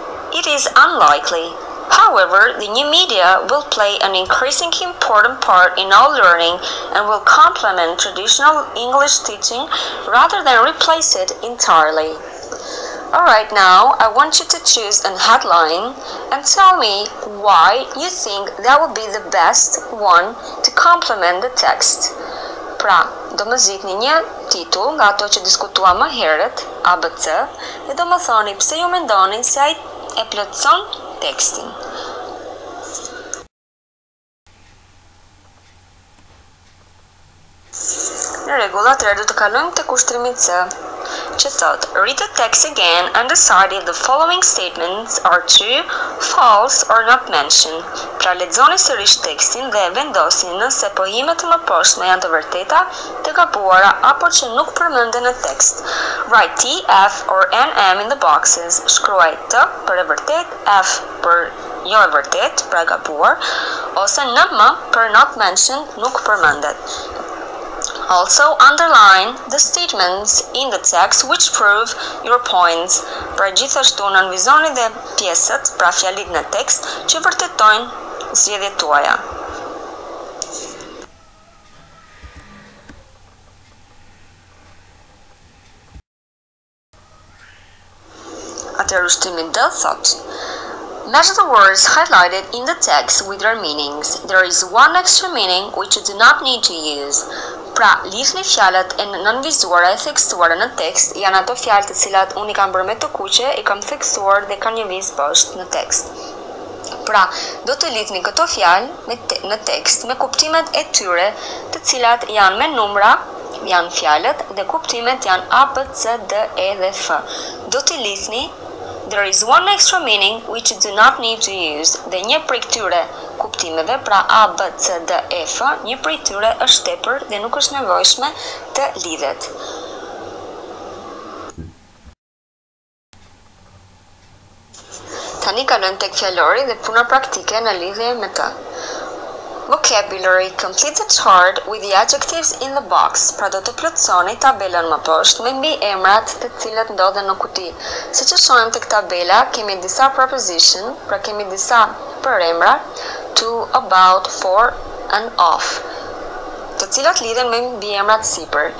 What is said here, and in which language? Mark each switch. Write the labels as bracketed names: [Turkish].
[English] It is unlikely. However, the new media will play an increasingly important part in all learning and will complement traditional English teaching rather than replace it entirely. Alright, now I want you to choose a headline and tell me why you think that would be the best one to complement the text. [Albanian] Pra, do më zgjidhni një titull nga ato që diskutuam më herët, ABC, dhe do më thoni pse ju mendoni se ai e plotson tekstin. Në rregull, atëherë do të kalojmë tek ushtrimi C, që thot: [English] Read the text again and decide if the following statements are true, false or not mentioned. [Albanian] Pra lexoni sërish tekstin dhe vendosni nëse pohimet më poshtme janë të vërteta, të gabuara apo që nuk përmenden në tekst. [English] Write T, F or NM in the boxes. [Albanian] Shkruaj T për e vërtet, F për jo e vërtet, pra gabuar, ose NM për [English] not mentioned, [Albanian] nuk përmendet. [English] Also, underline the statements in the text which prove your points. [Albanian] Pra gjithashtu nënvizoni dhe pjesët, pra fjalit në tekst, që vërtetojnë zgjedhjet tuaja. Atëherë ushtrimi D thot: [English] Match the words highlighted in the text with their meanings. There is one extra meaning which you do not need to use. [Albanian] Pra, lidhni fjalët e nënvizuara e theksuara në tekst janë ato fjalë të cilat unë i kam bërë me të kuqe, i kam theksuar dhe kanë një vizë poshtë në tekst. Pra, do të lidhni këto fjalë në tekst me kuptimet e tyre, të cilat janë me numra, janë fjalët dhe kuptimet janë A, B, C, D, E dhe F. Do të lidhni: [English] There is one extra meaning which you do not need to use. [Albanian] Dhe një prej këtyre kuptimeve, pra A, B, C, D, E, F, një prej këtyre është tepër dhe nuk është nevojshme të lidhet. Tani kalojmë tek fjalori dhe puna praktike në lidhje me të. [English] Vocabulary. Complete the chart with the adjectives in the box. [Albanian] Pra do të plotësoni tabelën më poshtë me mbi emrat të cilët ndodhen në kuti. Si që shohim të tabela, kemi disa preposition, pra kemi disa për emra, to, about, for, and of, të cilat lidhen me mbi emrat sipër.